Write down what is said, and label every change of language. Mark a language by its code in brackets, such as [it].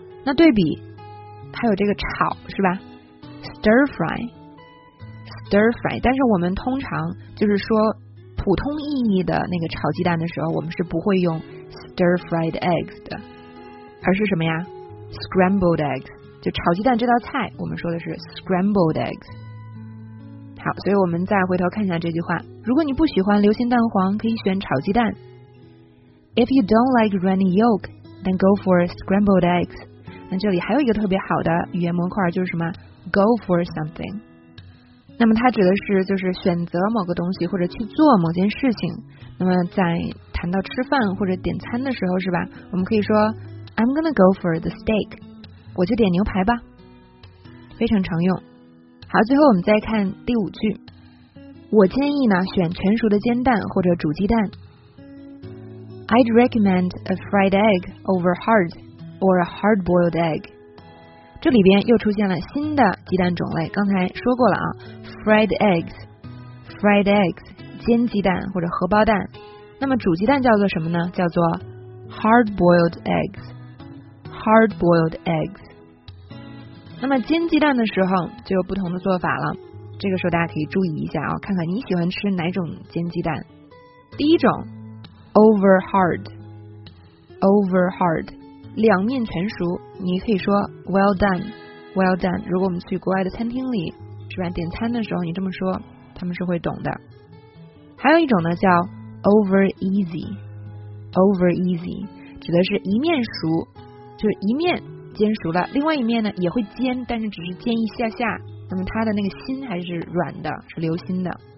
[zh] 那对比还有这个炒是吧， [en] stir fry stir fry， [zh] 但是我们通常就是说普通意义的那个炒鸡蛋的时候，我们是不会用 [en] stir fried eggs [zh] 的，而是什么呀？ [en] scrambled eggs， [zh] 就炒鸡蛋这道菜，我们说的是 scrambled eggs。好，所以我们再回头看一下这句话，如果你不喜欢流心蛋黄，可以选炒鸡蛋。 [en] If you don't like runny yolk, then go for scrambled eggs。 [zh] 那这里还有一个特别好的语言模块，就是什么？ [en] go for something。 [zh] 那么它指的是就是选择某个东西或者去做某件事情。那么在谈到吃饭或者点餐的时候是吧，我们可以说 [en] I'm gonna go for the steak， [zh] 我就点牛排吧，非常常用。好，最后我们再看第五句，我建议呢选全熟的煎蛋或者煮鸡蛋。 [en] I'd recommend a fried egg over hard or a hard boiled egg。 [zh] 这里边又出现了新的鸡蛋种类，刚才说过了啊， [en] fried eggs， fried eggs [zh] 煎鸡蛋或者荷包蛋。那么煮鸡蛋叫做什么呢？叫做 [en] hard boiled eggs， hard boiled eggs。 [zh] 那么煎鸡蛋的时候就有不同的做法了，这个时候大家可以注意一下啊，看看你喜欢吃哪种煎鸡蛋。第一种 [en] over hard， over hard [zh] 两面全熟，你可以说 [en] well done， well done。 [zh] 如果我们去国外的餐厅里是吧，点餐的时候你这么说他们是会懂的。还有一种呢叫 [en] over easy， over easy [zh] 指的是一面熟，就是一面煎熟了，另外一面呢也会煎，但是只是煎一下下，那么它的那个心还是软的，是流心的。